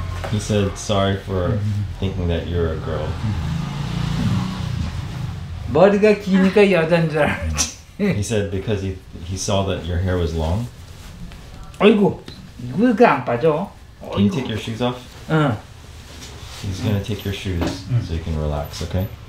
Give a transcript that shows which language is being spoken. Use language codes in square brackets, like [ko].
[en] He said sorry for thinking that you're a girl. [ko] 머리가 기니까 여잔 줄 알았지. [en] He said because he saw that your hair was long. [ko] 아이고, 이거 왜 안 빠져? [en] Can you take your shoes off? [ko] 응. [en] He's gonna take your shoes so you can relax, okay?